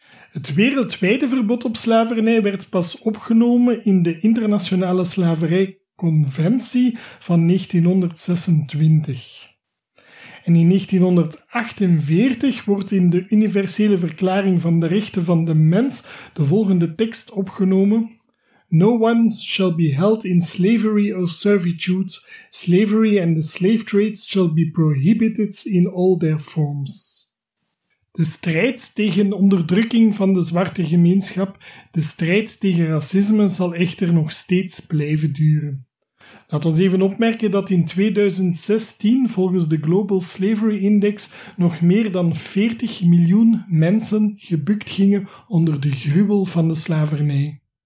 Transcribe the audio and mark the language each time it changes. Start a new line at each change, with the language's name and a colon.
Dutch: Het wereldwijde verbod op slavernij werd pas opgenomen in de Internationale Slaverijconventie van 1926. En in 1948 wordt in de Universele Verklaring van de Rechten van de Mens de volgende tekst opgenomen:
English: "No one shall be held in slavery or servitude. Slavery and the slave trade shall be prohibited in all their forms."
Dutch: De strijd tegen onderdrukking van de zwarte gemeenschap, de strijd tegen racisme zal echter nog steeds blijven duren. Laat ons even opmerken dat in 2016 volgens de Global Slavery Index nog meer dan 40 miljoen mensen gebukt gingen onder de gruwel van de slavernij.